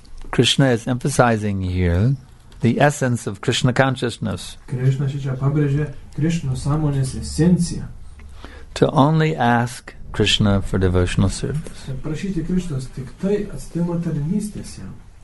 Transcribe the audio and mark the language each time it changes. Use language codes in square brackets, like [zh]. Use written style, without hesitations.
[en] Krishna is emphasizing here the essence of Krishna consciousness. [lt] Krishna šičia pabrėžė Krishna sąmonės esenciją. [en] To only ask Krishna for devotional service. [lt] Prašyti Krishnos tik tai atstimo tarnystės jam.